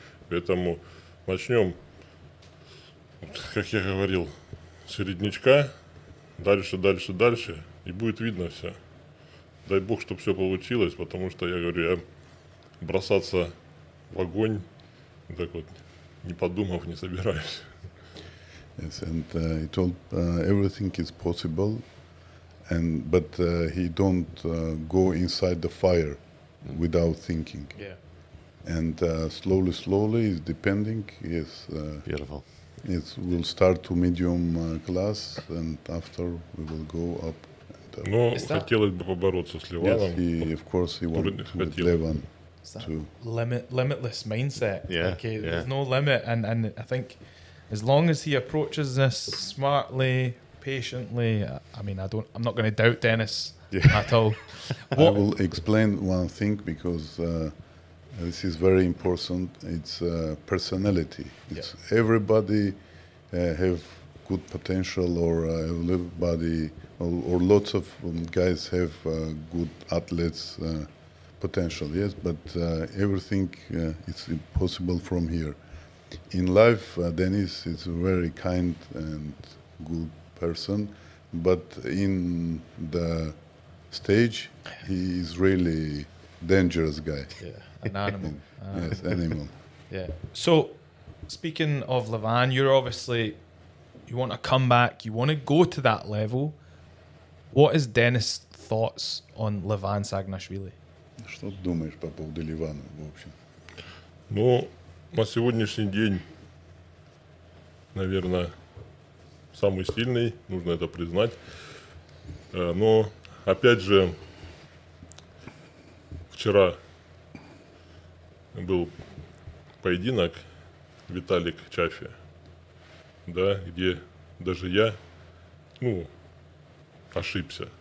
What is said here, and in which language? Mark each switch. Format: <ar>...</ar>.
<ru>Поэтому начнем, как я говорил, середнячка. Дальше, дальше, дальше, и будет видно все. Дай бог, чтобы все получилось, потому что, я говорю, я бросаться в огонь, так вот, не подумав, не собираюсь.</ru> <en>Yes, and he told everything is possible, and but he don't go inside the fire without thinking. Yeah. And slowly, slowly, is depending, yes. Beautiful. It will start to medium class, and after we will go up.</en> <ru>Но хотелось бы побороться с Леваном.</ru> <en>Yes, he, of course, he wants with Levan. Limitless mindset. Yeah, like, yeah. There's no limit, and I think as long as he approaches this smartly, patiently, I'm not going to doubt Denis at all. What? I will explain one thing because. This is very important. It's personality. It's yep. Everybody have good potential, or everybody, or lots of guys have good athletes potential. Yes, but everything it's impossible from here. In life, Denis is a very kind and good person, but in the stage, he is really dangerous guy. Yeah. An animal. Yeah. So, speaking of Levan, you're obviously, you want to come back, you want to go to that level. What is Denis' thoughts on Levan Sagnashvili?</en> <ru>Что думаешь по поводу Левана в общем? Ну, на сегодняшний день, наверное, самый сильный, нужно это признать. Но, опять же, вчера был поединок Виталик Чафи, да, где даже я, ну, ошибся.</ru>